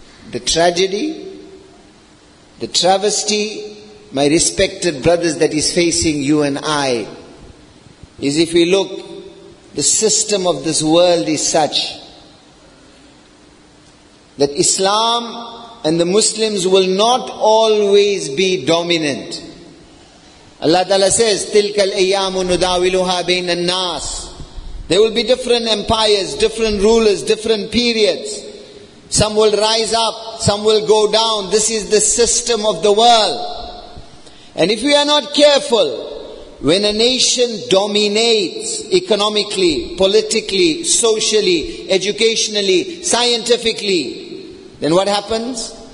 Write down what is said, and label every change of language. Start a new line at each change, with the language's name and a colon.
English: The tragedy, the travesty, my respected brothers, that is facing you and I, is if we look, the system of this world is such that Islam and the Muslims will not always be dominant. Allah Ta'ala says,
Arabic: تِلْكَ الْأَيَّامُ نُدَاوِلُهَا بَيْنَ النَّاسِ.
English: There will be different empires, different rulers, different periods. Some will rise up, some will go down. This is the system of the world. And if we are not careful, when a nation dominates economically, politically, socially, educationally, scientifically, then what happens?